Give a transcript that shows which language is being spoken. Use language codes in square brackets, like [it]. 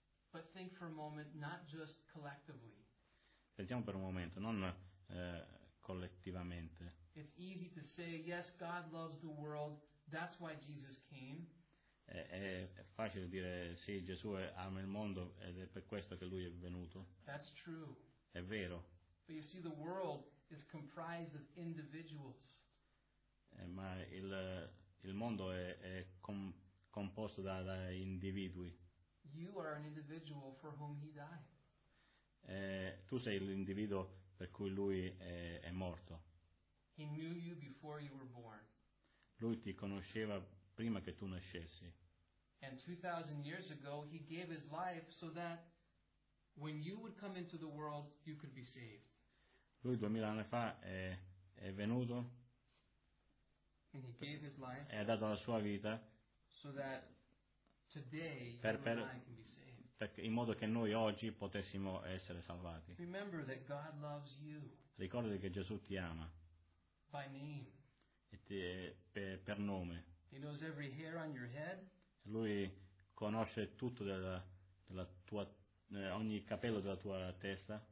[en] But think for a moment, not just collectively. [it] Pensiamo per un momento, non collettivamente. [en] It's easy to say, yes, God loves the world. That's why Jesus came. [it] È facile dire sì, Gesù ama il mondo ed è per questo che lui è venuto. [en] That's true. [it] È vero. [en] But you see, the world is comprised of individuals. [it] Ma il mondo è composto da individui. [en] You are an individual for whom he died. [it] Tu sei l'individuo per cui lui è morto. [en] He knew you before you were born. [it] Lui ti conosceva prima che tu nascessi. [en] And 2,000 years ago he gave his life so that when you would come into the world you could be saved. [it] Lui 2,000 anni fa è venuto. [en] And he gave his life. [it] E ha dato la sua vita. [en] So that today per you and I can be saved. [it] In modo che noi oggi potessimo essere salvati. [en] Remember that God loves you. [it] Ricordati che Gesù ti ama. [en] By name. [it] Per nome. [en] He knows every hair on your head. [it] Lui conosce tutto della tua ogni capello della tua testa.